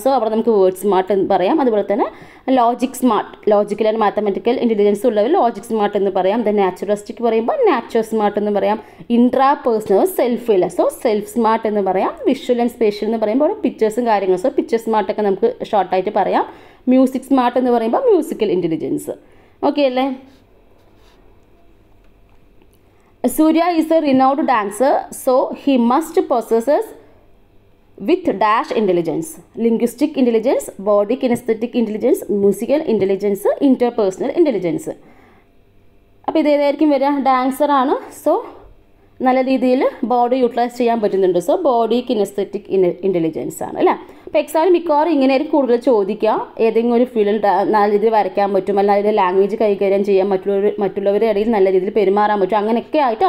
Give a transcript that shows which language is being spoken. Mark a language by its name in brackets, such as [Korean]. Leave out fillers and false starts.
[Malayalam] So അവിടെ നമുക്ക് word smart എന്ന് പറയാം. അതുപോലെ തന്നെ logic smart, logical and mathematical intelligence ഉള്ളവർ ലോജിക് സ്മാർട്ട് എന്ന് പറയാം. ദ നാച്ചുറലിസ്റ്റിക് പറയുമ്പോൾ നാച്ചുറൽ സ്മാർട്ട് എന്ന് പറയാം. ഇൻട്രാ പേഴ്സണൽ സെൽഫ് ഇല്ല, സോ സെൽഫ് സ്മാർട്ട് എന്ന് പറയാം. വിഷ്വൽ ആൻഡ് സ്പേഷ്യൽ എന്ന് പറയുമ്പോൾ അവിടെ പിക്ചേഴ്സും കാര്യങ്ങളും, സോ പിക്ചർ സ്മാർട്ടൊക്കെ നമുക്ക് ഷോർട്ടായിട്ട് പറയാം. മ്യൂസിക് സ്മാർട്ട് എന്ന് പറയുമ്പോൾ മ്യൂസിക്കൽ ഇൻ്റലിജൻസ്. ഓക്കെ അല്ലേ? [English] Surya is a renowned dancer, so he must possess with dash intelligence, linguistic intelligence, body kinesthetic intelligence, musical intelligence, interpersonal intelligence. [Malayalam] അപ്പം ഇതേതായിരിക്കും വരിക? ഡാൻസർ ആണ്, സോ നല്ല രീതിയിൽ ബോഡി യൂട്ടിലൈസ് ചെയ്യാൻ പറ്റുന്നുണ്ട്. സോ ബോഡി കിനസ്തെറ്റിക് ഇൻ്റലിജൻസ് ആണ് അല്ലേ. അപ്പം എക്സാമിൽ മിക്കവാറും ഇങ്ങനെയായിരിക്കും കൂടുതൽ ചോദിക്കുക. ഏതെങ്കിലും ഒരു ഫീൽഡ് നല്ല രീതിയിൽ വരയ്ക്കാൻ പറ്റും, അല്ല നല്ല രീതിയിൽ ലാംഗ്വേജ് കൈകാര്യം ചെയ്യാം, മറ്റുള്ളവരുടെ ഇടയിൽ നല്ല രീതിയിൽ പെരുമാറാൻ പറ്റും, അങ്ങനെയൊക്കെ ആയിട്ട്.